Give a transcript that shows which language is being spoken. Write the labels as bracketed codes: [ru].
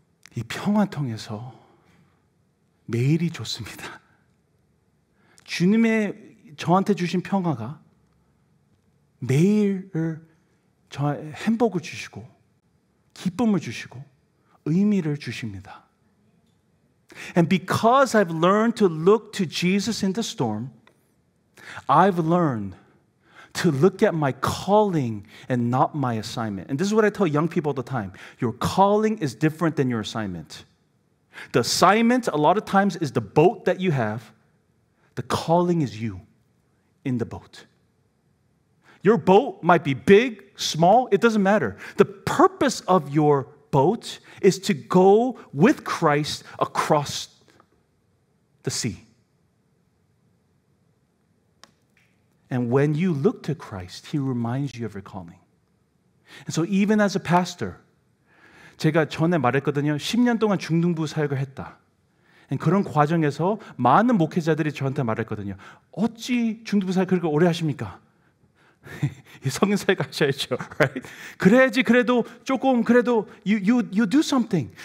[ko] He 평화 통해서 매일이 좋습니다. 주님의 저한테 주신 평화가 매일을 저 행복을 주시고 기쁨을 주시고 의미를 주십니다. [en] And because I've learned to look to Jesus in the storm, I've learned to look at my calling and not my assignment. And this is what I tell young people all the time. Your calling is different than your assignment. The assignment, a lot of times, is the boat that you have. The calling is you in the boat. Your boat might be big, small, it doesn't matter. The purpose of your boat is to go with Christ across the sea. And when you look to Christ, He reminds you of your calling. And so even as a pastor, [ko] 제가 전에 말했거든요. 10년 동안 중등부 사역을 했다. And 그런 과정에서 많은 목회자들이 저한테 말했거든요. 어찌 중등부 사역을 그렇게 오래 하십니까? 성인 사역 하셔야죠, right? 그래야지 그래도 조금 그래도 [en] you do something.